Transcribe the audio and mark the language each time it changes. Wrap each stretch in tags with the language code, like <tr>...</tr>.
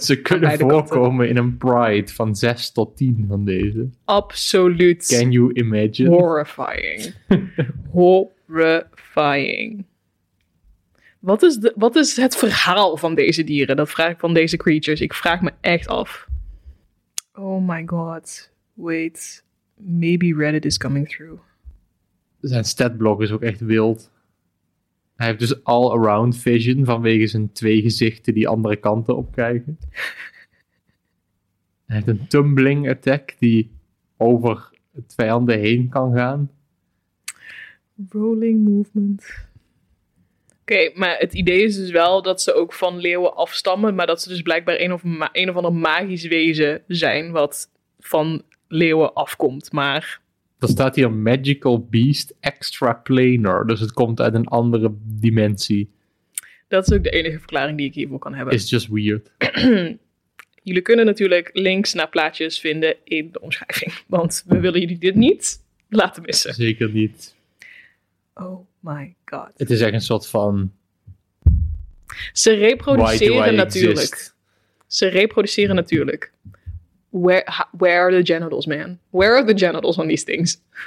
<nl>Ze kunnen voorkomen in een pride van 6 tot 10 van deze. Absoluut.</nl> <en>Can you imagine? Horrifying. Horrifying.</en> <nl>Wat is het verhaal van deze dieren? Dat vraag ik van deze creatures. Ik vraag me echt af.</nl> <en>Oh my god. Wait. Maybe Reddit is coming through.</en> <nl>Zijn statblog is ook echt wild. Hij heeft dus</nl> <en>all around vision</en> <nl>vanwege zijn 2 gezichten die andere kanten opkijken. Hij heeft een tumbling attack die over het vijanden heen kan gaan.</nl> <en>Rolling movement.</en> <nl>Oké, maar het idee is dus wel dat ze ook van leeuwen afstammen, maar dat ze dus blijkbaar een of ander magisch wezen zijn wat van leeuwen afkomt, maar... Dan staat hier Magical Beast Extraplanar, dus het komt uit een andere dimensie. Dat is ook de enige verklaring die ik hiervoor kan hebben.</nl> <en>It's just weird.</en> <nl>Jullie kunnen natuurlijk links naar plaatjes vinden in de omschrijving, want we willen jullie dit niet laten missen. Zeker niet.</nl> <en>Oh. My god.</en> <nl>Het is echt een soort van... Ze reproduceren natuurlijk. Ze reproduceren natuurlijk.</nl> <en>Where are the genitals, man? Where are the genitals on these things?</en>